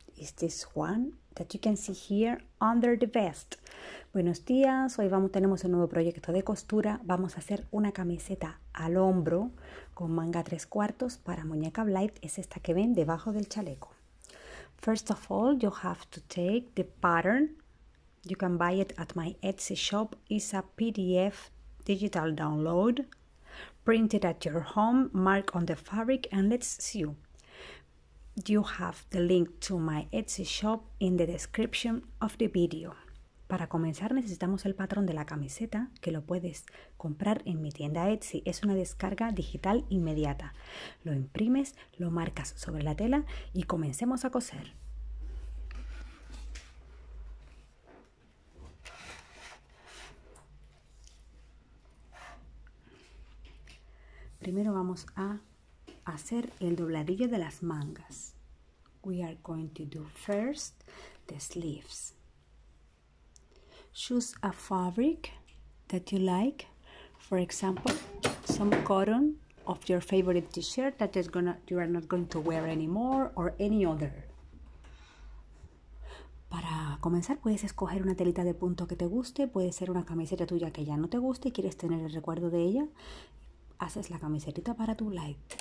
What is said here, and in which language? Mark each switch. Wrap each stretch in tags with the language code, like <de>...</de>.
<en>It's this one that you can see here under the vest.</en> <es>Buenos días, hoy tenemos un nuevo proyecto de costura. Vamos a hacer una camiseta al hombro con manga 3/4 para muñeca Blythe. Es esta que ven debajo del chaleco.</es> <en>First of all, you have to take the pattern. You can buy it at my Etsy shop. It's a PDF digital download, print it at your home, mark on the fabric, and let's sew. You have the link to my Etsy shop in the description of the video.</en> <es>Para comenzar necesitamos el patrón de la camiseta, que lo puedes comprar en mi tienda Etsy. Es una descarga digital inmediata. Lo imprimes, lo marcas sobre la tela y comencemos a coser. Primero vamos a hacer el dobladillo de las mangas.</es> <en>We are going to do first the sleeves. Choose a fabric that you like. For example, some cotton of your favorite t-shirt that is you are not going to wear anymore or any other.</en> <es>Para comenzar, puedes escoger una telita de punto que te guste. Puede ser una camiseta tuya que ya no te guste y quieres tener el recuerdo de ella. Haces la camiseta para tu light.</es>